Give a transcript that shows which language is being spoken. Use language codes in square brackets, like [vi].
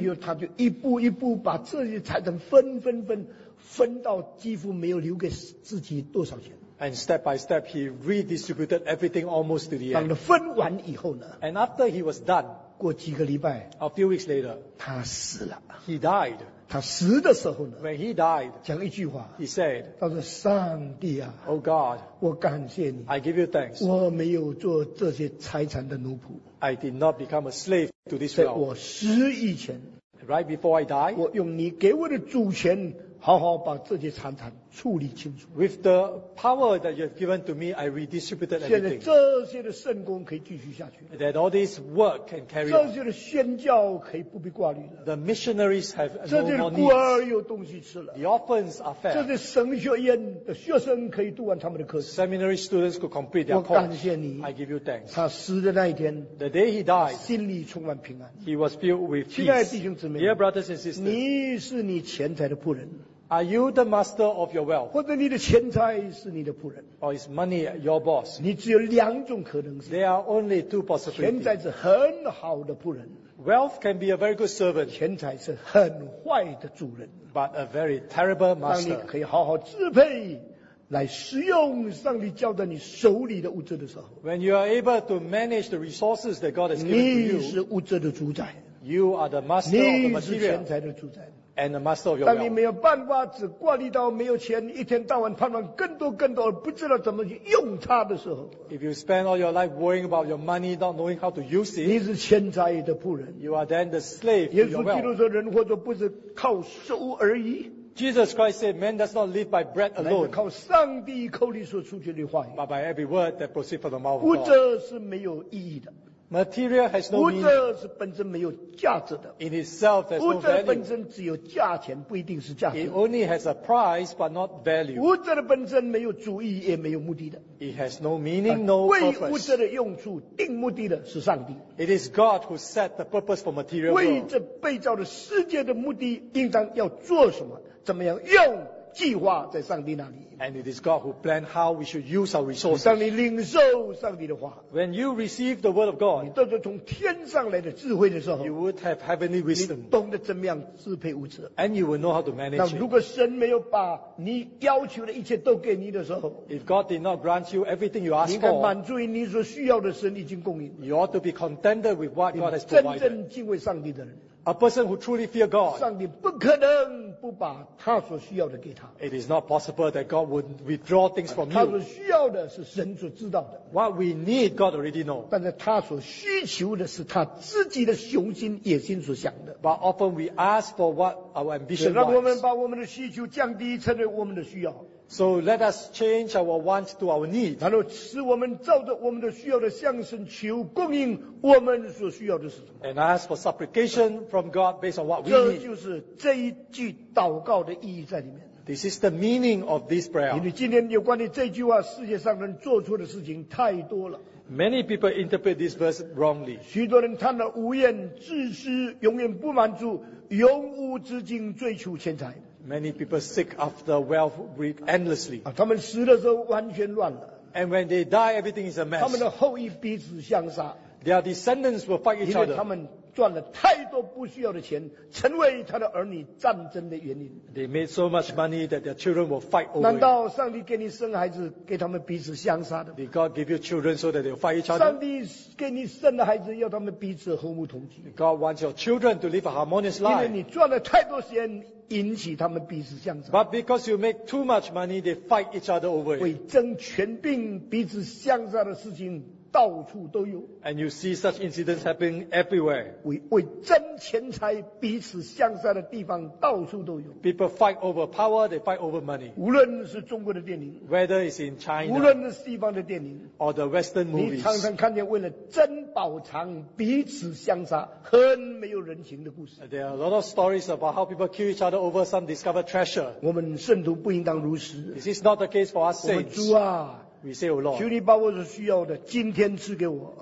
[zh] 因为他就一步一步把这些财产分到几乎没有留给自己多少钱。 [en] And step by step, he redistributed everything almost to the end. [zh] 当他分完以后呢 [en] ？And after he was done, [zh] 过几个礼拜 [en] ，a few weeks later, [zh] 他死了。 [en] He died. [zh] 他死的时候呢 [en] ？When he died, [zh] 讲一句话 [en] ，he said, [zh] 他说：“上帝啊 [en] ，Oh God, [zh] 我感谢你。 [en] I give you thanks. [zh] 我没有做这些财产的奴仆。 [en] I did not become a slave to this wealth. [zh] 在我死以前 [en] ，right before I die, [zh] 我用你给我的主权。” 好好把这些财产处理清楚。 [en] With the power that you have given to me, I redistributed everything. [zh] 现在这些的圣工可以继续下去。 [en] That all this work can carry on. [zh] 这些的宣教可以不必挂虑了。 [en] The missionaries have no more needs. [zh] 这些的孤儿有东西吃了。 [en] The orphans are fed. [zh] 这些神学院的学生可以读完他们的课程。 [en] Seminary students could complete their course. [zh] 我感谢你。 [en] I give you thanks. [zh] 他死的那一天。 [en] The day he died. [zh] 心里充满平安。 [en] He was filled with peace. 亲 [zh] 爱的弟兄姊妹。 [en] Dear brothers and sisters. [zh] 你是你钱财的仆人。 [en] Are you the master of your wealth? [zh] 或者你的钱财是你的仆人。 [en] Or is money your boss? [zh] 你只有两种可能性。 [en] There are only two possibilities. [zh] 钱财是很好的仆人。 [en] Wealth can be a very good servant. [zh] 钱财是很坏的主人。 [en] But a very terrible master. [zh] 当你可以好好支配来使用上帝交在你手里的物质的时候。 [en] When you are able to manage the resources that God has given to you. [zh] 你是物质的主宰。 [en] You are the master of the material. [zh] 你是钱财的主宰。 [en] And the master of your wealth. [zh] 当你没有办法只挂虑到没有钱一天到晚盼望更多更多而不知道怎么去用它的时候 [en] If you spend all your life worrying about your money not knowing how to use it [zh] 你是钱财的仆人 [en] You are then the slave to your wealth [zh] 耶稣基督说人活着不是靠手而已 [en] Jesus Christ said man does not live by bread alone [zh] 乃是靠上帝口里所出去的话语 [en] But by every word that proceeds from the mouth of God [zh] 物质是没有意义的 [en] Material has no meaning. [zh] 物质是本身没有价值的。 [en] In itself has no value. [zh] 物质本身只有价钱，不一定是价值。 [en] It only has a price, but not value. [zh] 物质的本身没有主意，也没有目的的。 [en] It has no meaning, no purpose. [zh] 为物质的用处定目的的是上帝。 [en] It is God who set the purpose for material. [zh] 为这被造的世界的目的，应当要做什么，怎么样用？计划在上帝那里。 [en] And it is God who planned how we should use our resources. [zh] 当你领受上帝的话 [en] ，When you receive the word of God， [zh] 你得着从天上来的智慧的时候 [en] ，You would have heavenly wisdom. [zh] 你懂得怎么样支配物质 [en] ，And you will know how to manage. [zh] 那如果神没有把你要求的一切都给你的时候 [en] ，If God did not grant you everything you asked for， [zh] 你应该满足于你所需要的，神已经供应。 [en] You ought to be contented with what God has provided. [zh] 真正敬畏上帝的人。 [en] A person who truly fear God. [zh] 上帝不可能不把他所需要的给他。 [en] It is not possible that God would withdraw things from you. [zh] 他所需要的是神所知道的。 [en] What we need, God already knows. [zh] 但是他所需求的是他自己的雄心野心所想的。 [en] But often we ask for what our ambition wants. [zh] 让我们把我们的需求降低成为我们的需要。 [en] So let us change our wants to our needs. [zh] 然后使我们照着我们的需要的向神求供应我们所需要的是什么。 [en] And ask for supplication from God based on what we need. [zh] 这就是这一句祷告的意义在里面。 [en] This is the meaning of this prayer. [zh] 因为今天有关于这句话，世界上人做错的事情太多了。 [en] Many people interpret this verse wrongly. [zh] 许多人贪得无厌、自私、永远不满足、永无止境追求钱财。 [en] Many people seek after wealth endlessly. [zh] 他们死的时候完全乱了。 [en] And when they die, everything is a mess. [zh] 他们的后裔彼此相杀。 [en] Their descendants will fight each other. [zh] 他们赚了太多不需要的钱，成为他的儿女战争的原因。 [en] They made so much money that their children will fight over. [zh] 难道上帝给你生孩子，给他们彼此相杀的？ [en] Did God give you children so that they fight each other? [zh] 上帝给你生的孩子，要他们彼此和睦同居。 [en] God wants your children to live a harmonious life. [zh] 因为你赚了太多钱，引起他们彼此相杀。 [en] But because you make too much money, they fight each other over. [zh] 为争权柄彼此相杀的事情。到处都有。 [en] And you see such incidents happening everywhere. [zh] 为争钱财彼此相杀的地方到处都有。 [en] People fight over power, they fight over money. [zh] 无论是中国的电影， [en] whether it's in China, [zh] 无论是西方的电影， [en] or the Western movies, [zh] 你常常看见为了珍宝藏彼此相杀，很没有人情的故事。 [en] There are a lot of stories about how people kill each other over some discovered treasure. [zh] 我们圣徒不应当如此。 [en] This is not the case for us saints. [zh] 我们主啊。 [en] We say, oh Lord, [zh] 求你把我所需要的今天赐给我。